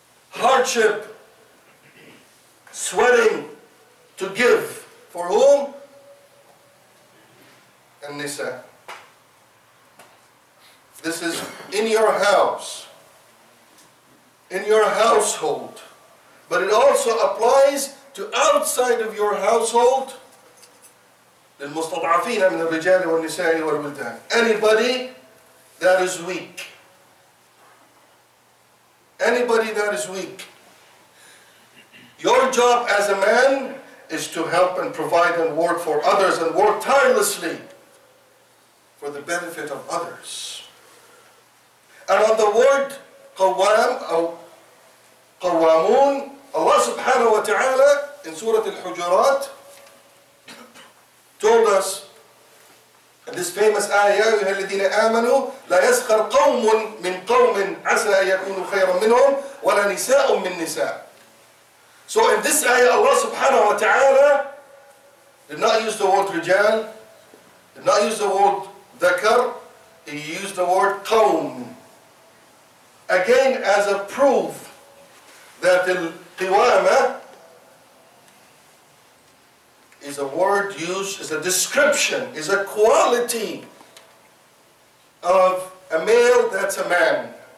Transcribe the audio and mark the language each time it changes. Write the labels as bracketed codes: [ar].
[en] Hardship, sweating to give. For whom? An-nisa. This is in your house, in your household, but it also applies to outside of your household. [ar] للمستضعفين من الرجال والنساء والولدان. [en] Anybody that is weak. Anybody that is weak. Your job as a man is to help and provide and work for others and work tirelessly for the benefit of others. And on the word [ar] قوام أو قوامون, [en] Allah subhanahu wa ta'ala in Surah Al-Hujurat told us in this famous ayah, [ar] يَا الَّذِينَ آمَنُوا لَا يَسْخَرْ قَوْمٌ مِّن قَوْمٍ عَسَىٰ يَكُونُ خَيْرًا مِّنْهُمْ وَلَا نِسَاءٌ مِّن نِسَاءٌ. [en] So in this ayah, Allah subhanahu wa ta'ala did not use the word رجال, did not use the word ذكر, he used the word قوم. Again, as a proof that al-qiwama is a word used, is a description, is a quality of a male that's a man.